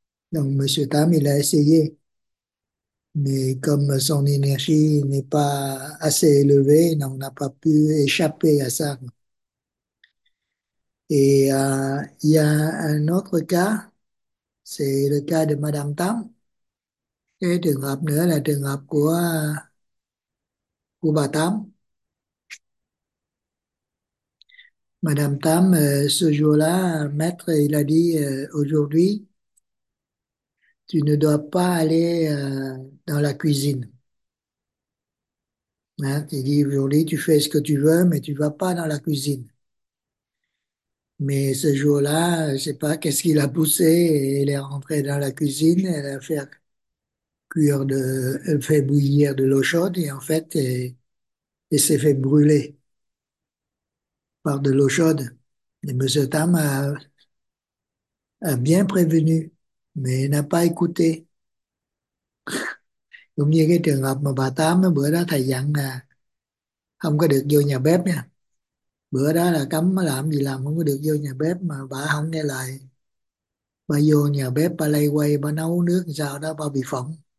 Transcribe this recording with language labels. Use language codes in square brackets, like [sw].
[fr] Donc, Monsieur Tam, il a essayé. Mais comme son énergie n'est pas assez élevée, on n'a pas pu échapper à ça. Et il y a un autre cas, c'est le cas de Madame Tam. [vi] Cái trường hợp nữa là trường hợp của bà Tám. [fr] Madame Tám, ce jour-là, maître, il a dit, aujourd'hui, tu ne dois pas aller dans la cuisine. Hein? Il dit, aujourd'hui, tu fais ce que tu veux, mais tu ne vas pas dans la cuisine. Mais ce jour-là, je ne sais pas qu'est-ce qui l'a poussé, et elle est rentrée dans la cuisine, et elle a fait cuire de, elle fait bouillir de l'eau chaude et en fait, elle s'est fait brûler par de l'eau chaude. Et Monsieur Tam a bien prévenu, mais n'a pas écouté. [vi] Cũng như cái trường hợp mà bà Tám mấy bữa đó thầy dặn là không có được vô nhà bếp nha. Bữa đó là cấm làm gì làm không có được vô nhà bếp mà bà không nghe lời. Bà vô nhà bếp bà lay quay bà nấu nước sao đó bà bị phỏng.